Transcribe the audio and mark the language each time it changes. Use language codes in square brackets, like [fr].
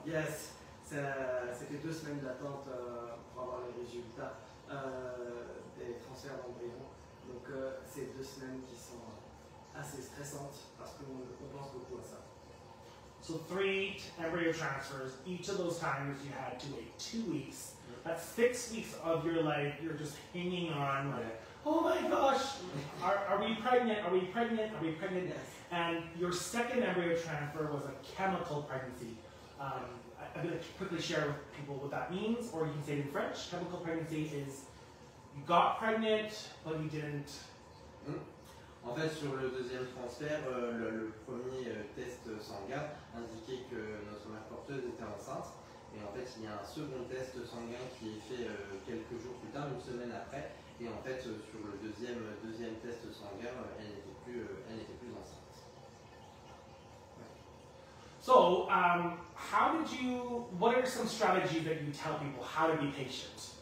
[en] yes, [fr] c'était 2 semaines d'attente pour avoir les résultats des transferts d'embryon. Donc c'est 2 semaines qui sont assez stressantes parce qu'on pense beaucoup à ça. [en] So 3 embryo transfers. Each of those times you had to wait 2 weeks. That's 6 weeks of your life you're just hanging on, like, oh my gosh, are we pregnant? Yes. And your second embryo transfer was a chemical pregnancy. I'm going to quickly share with people what that means, or you can say it in French. Chemical pregnancy is you got pregnant, but you didn't. [fr] En fait, sur le deuxième transfert, le premier test sanguin indiquait que notre mère porteuse était enceinte. Et en fait, il y a un second test sanguin qui est fait quelques jours plus tard, une semaine après. Et en fait, sur le deuxième test sanguin, elle n'était plus enceinte. [en] So, how did you? What are some strategies that you tell people how to be patient?